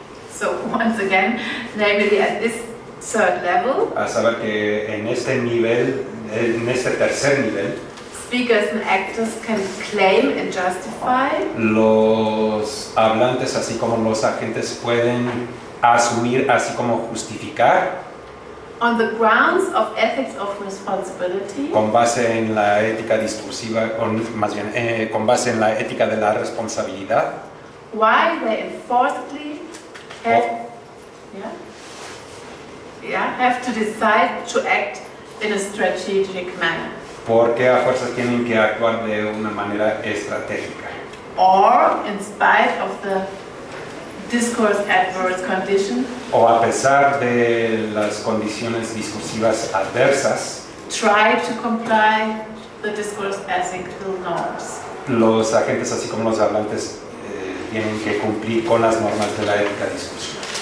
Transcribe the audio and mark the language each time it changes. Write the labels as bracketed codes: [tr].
[en] So once again, namely at this third level, [es] a saber que en este nivel, en este tercer nivel, [en] speakers and actors can claim and justify. [es] Los hablantes, así como los agentes, pueden asumir, así como justificar. [en] On the grounds of ethics of responsibility. [es] Con base en la ética discursiva, con base en la ética de la responsabilidad. [en] Why they enforcedly have. Oh. Yeah. have to decide to act in a strategic manner. [es] ¿Por qué a fuerzas tienen que actuar de una manera estratégica? [en] Or in spite of the discourse adverse condition. [es] O a pesar de las condiciones discursivas adversas. [en] Try to comply the discourse ethical norms. [es] Los agentes así como los hablantes tienen que cumplir con las normas de la ética discursiva.